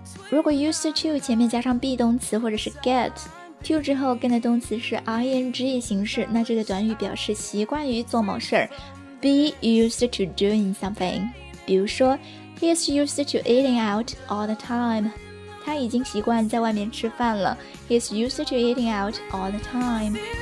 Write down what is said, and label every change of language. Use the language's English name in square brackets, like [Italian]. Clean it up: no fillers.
[Chinese] 如果 used to 前面加上 be 动词或者是 get to 之后跟的动词是 ing 形式，那这个短语表示习惯于做某事， [English] be used to doing something。 [Chinese] 比如说 [English] He is used to eating out all the time. [Chinese] 他已经习惯在外面吃饭了。 [English] He is used to eating out all the time.